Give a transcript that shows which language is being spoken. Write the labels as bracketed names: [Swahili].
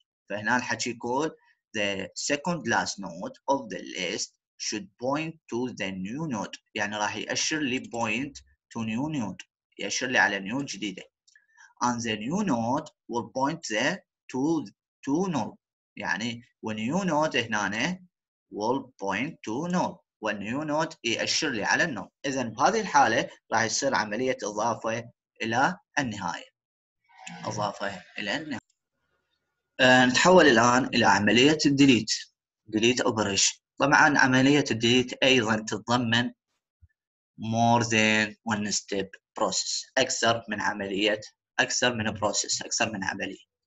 [Arabic] فهنا الحكي يقول [English] the second last node of the list should point to the new node. [Arabic] يعني راح يأشر لي point to new node يأشر لي على new جديدة. [English] And the new node will point there to null. [Arabic] يعني new node هنا [English] will point to null [Arabic] والnew node يأشر لي على null. إذا بهذه الحالة راح يصير عملية إضافة إلى النهاية. إضافة إلى النهاية. نتحول الآن إلى عملية الديليت delete operation. طبعاً عملية الديليت أيضاً تتضمن [English] more than one step process [Arabic] أكثر من عملية أكثر من process أكثر من عملية.